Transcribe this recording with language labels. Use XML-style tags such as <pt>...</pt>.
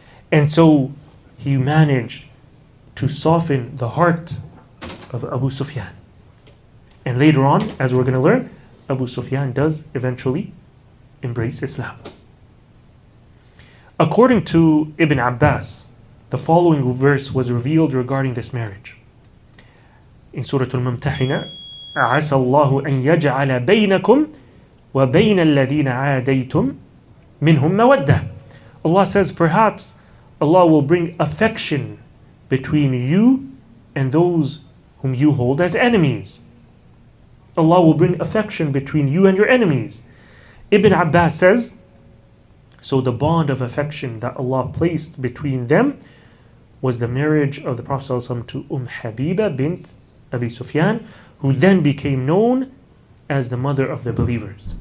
<en>And so he managed to soften the heart of Abu Sufyan. And later on, as we're going to learn, Abu Sufyan does eventually embrace Islam. According to Ibn Abbas, the following verse was revealed regarding this marriage. In Surah Al-Mumtahina,</en> <ar>عَسَى اللَّهُ أَن يَجْعَلَ بَيْنَكُمْ وَبَيْنَ الَّذِينَ عَادَيْتُمْ مِنْهُمْ مَوَدَّةً.</ar> <en>Allah says, perhaps Allah will bring affection between you and those whom you hold as enemies. Allah will bring affection between you and your enemies. Ibn Abbas says, so the bond of affection that Allah placed between them was the marriage of the Prophet ﷺ to Habiba bint Abi Sufyan, who then became known as the mother of the believers.</en>